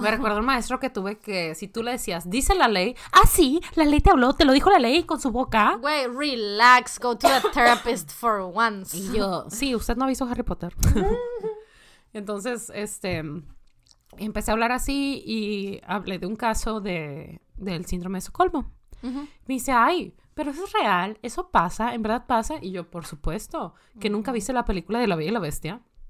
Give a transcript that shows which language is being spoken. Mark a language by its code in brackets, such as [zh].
[es] Me recuerdo un maestro que tuve que, si tú le decías, dice la ley, ah, sí, la ley te habló, te lo dijo la ley con su boca. [en] Güey, relax, go to the therapist for once. [es] Y yo, sí, usted no avisó Harry Potter. Entonces, empecé a hablar así y hablé de un caso del síndrome de Estocolmo. Uh-huh. Me dice, ay, pero eso es real, eso pasa, en verdad pasa. Y yo, por supuesto, que nunca viste la película de La Bella y la Bestia.